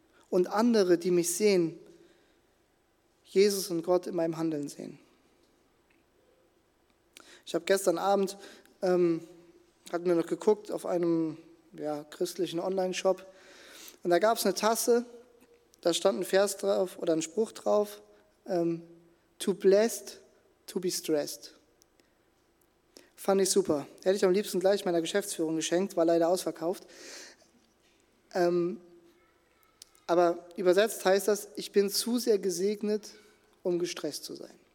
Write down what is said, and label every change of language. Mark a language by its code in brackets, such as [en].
[de] Und andere, die mich sehen, Jesus und Gott in meinem Handeln sehen. Ich habe gestern Abend, hatten wir noch geguckt, auf einem christlichen Online-Shop. Und da gab es eine Tasse, da stand ein Vers drauf oder ein Spruch drauf. [en] Too blessed to be stressed. [de] Fand ich super. Hätte ich am liebsten gleich meiner Geschäftsführung geschenkt, war leider ausverkauft. Aber übersetzt heißt das, ich bin zu sehr gesegnet, um gestresst zu sein.